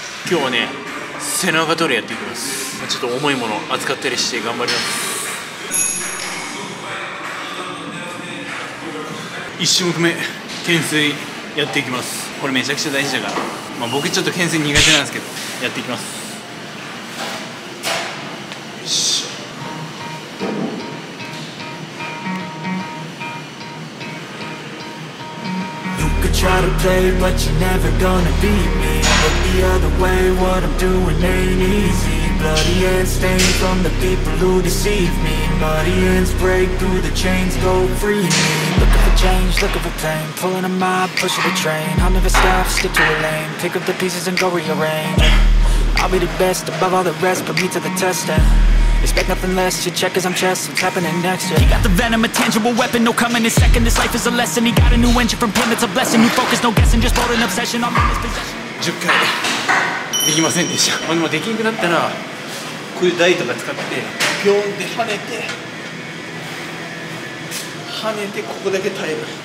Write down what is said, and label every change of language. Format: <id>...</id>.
<ja>今日はね背中トレやっていきます。ちょっと重いもの扱ったりして頑張ります。 1種目目、懸垂やっていきます。これめちゃくちゃ大事だから、まあ僕ちょっと懸垂苦手なんですけど、やっていきます。</ja> <en>よし、Try to play but you're never gonna beat me. Look the other way, what I'm doing ain't easy. Bloody hands stained from the people who deceive me. Muddy hands break through the chains, go free me. Looking for change, looking for pain. Pulling a mob, pushing a train. I'll never stop, stick to a lane. Pick up the pieces and go rearrange. I'll be the best above all the rest. Put me to the test and expect nothing less. You check as I'm chess. What's happening next? Yeah. He got the venom, a tangible weapon. No coming in second. This life is a lesson. He got a new engine from him. It's a blessing. New focus, no guessing. Just bold and obsession. I'm in his possession.</en> <ja>10回できませんでした。まあでもできなくなったら、こういう台とか使ってピョンって跳ねて、跳ねてここだけ耐える。</ja>